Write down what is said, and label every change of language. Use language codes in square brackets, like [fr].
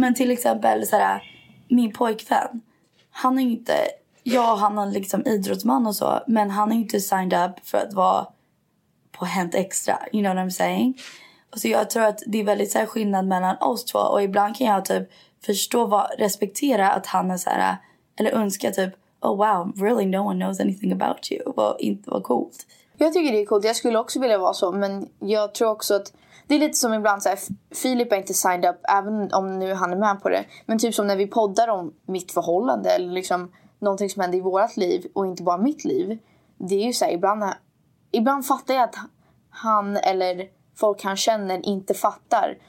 [sv] Men till exempel så här, min pojkvän, han är inte... Ja, han är liksom idrottsman och så. Men han är inte signed up för att vara på Hänt Extra. You know what I'm saying? Och så jag tror att det är väldigt så här skillnad mellan oss två. Och ibland kan jag typ förstå vad, respektera att han är så här. [en] Eller önska typ, oh wow, really no one knows anything about you. [sv] Vad coolt. Jag tycker det är coolt. Jag skulle också vilja vara så. Men jag tror också att det är lite som ibland så här. Filip är inte signed up, även om nu han är med på det. Men typ som när vi poddar om mitt förhållande eller liksom... någonting som händer i vårat liv och inte bara mitt liv. Det är ju så här, ibland fattar jag att han eller folk han känner inte fattar.